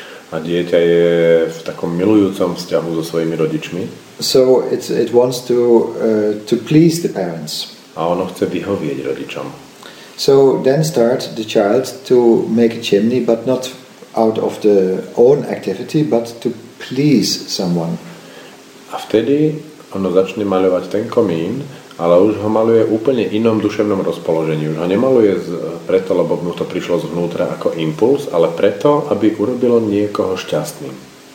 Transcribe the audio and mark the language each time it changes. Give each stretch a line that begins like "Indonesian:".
Slovak: A dieťa je v takom milujúcom vzťahu so svojimi rodičmi.
English: So it wants to please the parents.
Slovak: A ono chce vyhovieť rodičom.
English: So then start the child to make a chimney, but not out of the own activity, but to please someone.
Slovak: A vtedy ono začne maľovať ten komín, ale už ho maľuje úplne inom duševnom rozpoložení. Už ho nemaľuje preto, lebo mu to prišlo zvnútra ako impuls, ale preto, aby urobilo niekoho šťastným.